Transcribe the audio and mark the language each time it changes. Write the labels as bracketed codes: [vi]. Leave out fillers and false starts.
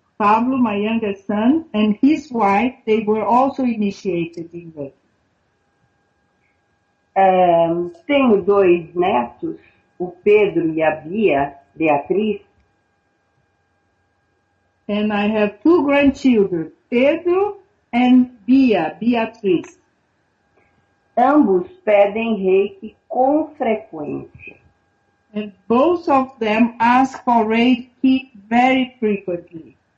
[en] Pablo, my youngest son, and his wife, they were also initiated in it. [pt] Tenho dois netos, o Pedro e a Bia, Beatriz. [en] And I have two grandchildren, Pedro and Bia, Beatriz. [pt] Ambos pedem reiki com frequência. [en] And both of them ask for reiki very frequently.